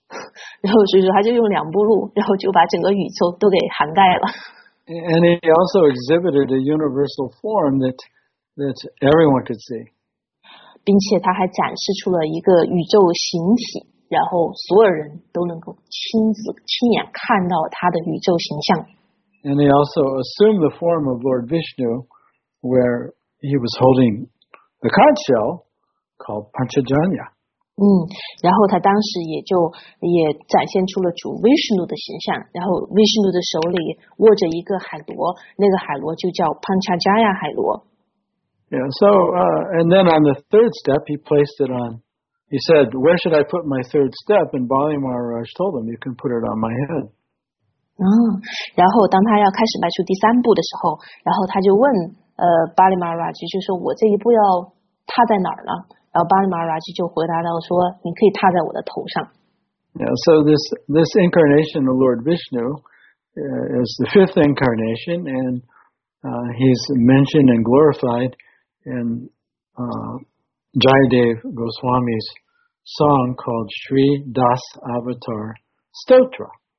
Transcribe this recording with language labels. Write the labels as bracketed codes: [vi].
[zh] 然后所以说他就用两步路，然后就把整个宇宙都给涵盖了。 [en] And he also exhibited a universal form that everyone could see. [zh] 并且他还展示出了一个宇宙形体，然后所有人都能够亲眼看到他的宇宙形象。 [en] And he also assumed the form of Lord Vishnu, where he was holding the conch shell called Panchajanya. [zh] 然后他当时也展现出了主 Vishnu 的形象，然后 Vishnu 的手里握着一个海螺，那个海螺就叫 Panchajaya 海螺。 [en] Yeah, so, and then on the third step, he placed it on, he said, where should I put my third step? And Bali Maharaj told him, you can put it on my head. [zh] 然后当他要开始迈出第三步的时候，然后他就问Bali Maharaj, 就说我这一步要踏在哪儿呢？然后巴里马拉吉就回答到说：“你可以踏在我的头上。” [en] Yeah, so this incarnation of Lord Vishnu as the fifth incarnation, and he's mentioned and glorified in Jayadev Goswami's song called Sri Das Avatar Stotra.